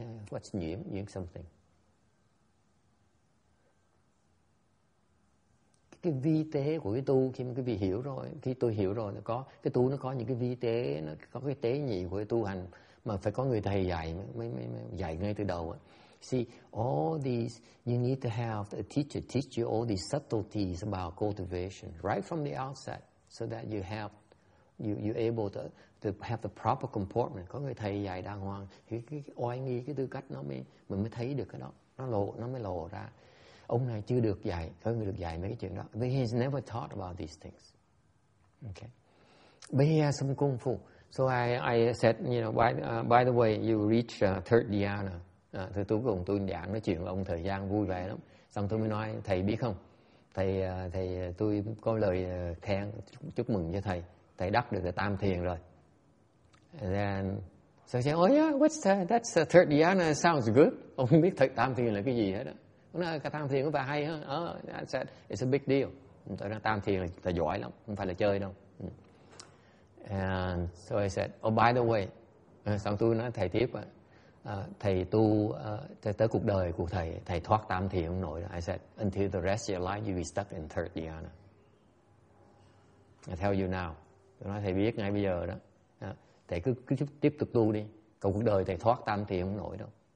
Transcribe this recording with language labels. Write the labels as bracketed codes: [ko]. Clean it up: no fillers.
[en] What's nhuyễn something? [vi] Cái vi tế của cái tu, khi mà cái vị hiểu rồi, khi tôi hiểu rồi, nó có cái tu, nó có những cái vi tế, nó có cái tế nhị của cái tu hành mà phải có người thầy dạy, mới dạy ngay từ đầu. [en] See, all these, you need to have a teacher teach you all these subtleties about cultivation right from the outset so that you have, you're able to have the proper comportment. [vi] Có người thầy dạy đàng hoàng, cái oai nghi, cái tư cách nó mới thấy được cái đó, nó mới lộ ra. Ông này chưa được dạy, không được dạy mấy cái chuyện đó. [en] But he's never taught about these things. Okay. But he has some kung fu. So I said, you know, by the way, you reach third dhyana. [vi] Thưa tôi cùng tôi giảng nói chuyện với ông thời gian vui vẻ lắm. Xong tôi mới nói, thầy biết không? Thầy tôi có lời khen, chúc mừng cho thầy. Thầy đắc được cái tam thiền rồi. [en] And then So I say, oh yeah, what's that? That's the third dhyana, sounds good. [vi] Ông không biết tam thiền là cái gì hết đó. Nó là tam thiền có phải hay hơn. [en] Oh, I said, it's a big deal. [vi] Tôi nói tam thiền là giỏi lắm, không phải là chơi đâu. [en] And so I said, oh by the way, [vi] xong tôi nói thầy tiếp, thầy tu tới cuộc đời của thầy, thầy thoát tam thiền không nổi. [en] I said, until the rest of your life, you'll be stuck in third dhyana. I tell you now. [vi] Tôi nói thầy biết ngay bây giờ đó. Thầy cứ tiếp tục tu đi. Còn cuộc đời thầy thoát tam thiền không nổi đâu.